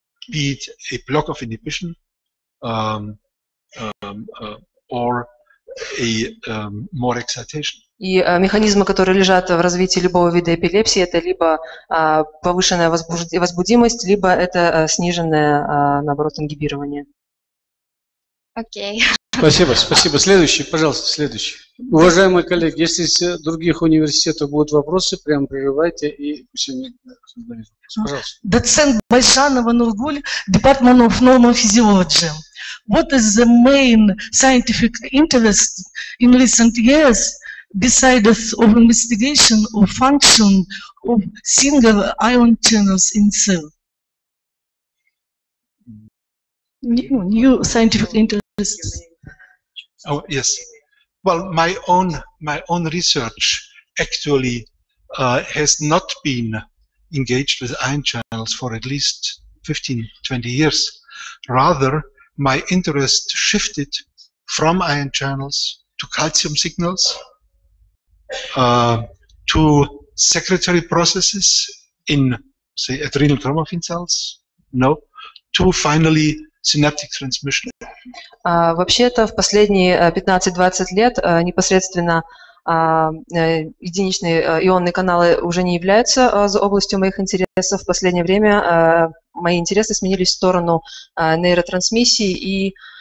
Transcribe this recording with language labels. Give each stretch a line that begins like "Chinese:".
English: Be it a block of inhibition, or a more excitation.
Russian: И механизмы, которые лежат в развитии любого вида эпилепсии, это либо повышенная возбудимость, либо это сниженное, наоборот, ингибирование.
English: Okay.
Russian: Спасибо. Следующий, пожалуйста, следующий. Уважаемые коллеги, если из других университетов будут вопросы, прям прерывайте и пусть они задают вопрос. Пожалуйста.
English: Доцент Байжанова Нургуль, Department of Normal Physiology. What is the main scientific interest in recent years besides of investigation of function of single ion channels in cell? New scientific interest. Oh, yes. Well, my own research actually has not been engaged with ion channels for at least 15, 20 years. Rather, my interest shifted from ion channels to calcium signals, to secretory processes in, say, adrenal chromaffin cells, no, to finally synaptic transmission.
Russian: Вообще-то в последние 15-20 лет непосредственно единичные ионные каналы уже не являются областью моих интересов. В последнее время мои интересы сменились в сторону нейротрансмиссии и